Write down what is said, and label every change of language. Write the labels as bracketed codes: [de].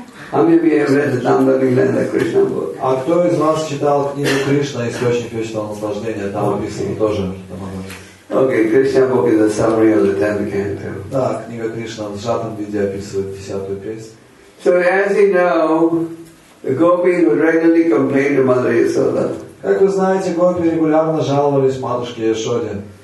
[ru] А кто из вас читал книгу Кришна «Источник вечного наслаждения»? Там описано тоже Дамодар Лила. [en] Okay, Krishna book is a summary of the 10th canto. [ru] Да, книга Кришна в сжатом виде описывает 10-ю песнь. [en] So as you know, the gopis would regularly complain to Mother Yashoda. [ru] Как вы знаете, гопи регулярно жаловались матушке Яшоде.